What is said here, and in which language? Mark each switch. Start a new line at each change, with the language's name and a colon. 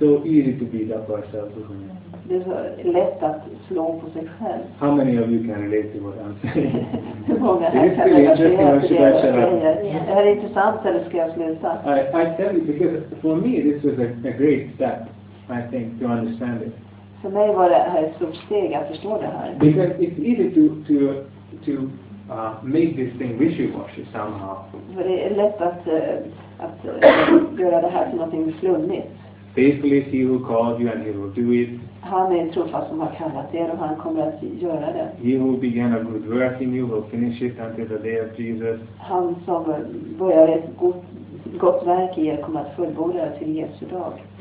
English: It's so easy to beat up ourselves, isn't it?
Swedish: Det är så lätt att slå på sig själv.
English: How many of you can relate to what I'm saying?
Swedish: Många är det här intressant eller ska jag sluta? Är det intressant eller ska jag sluta?
English: I tell you, because for me this was a great step, I think, to understand it.
Swedish: För mig var det här ett stort steg att förstå det här.
English: Because it's easy to make this thing wishy-washy somehow.
Swedish: För det är lätt att göra det här till någonting flummigt.
English: Faithful is he who called you and he will do it.
Swedish: Han är en trofast som har kallat er och han kommer att göra det.
English: He who began a good work in you will finish it until the day of Jesus.
Swedish: Han som börjar ett gott verk i er kommer att fullborda det till Jesu dag.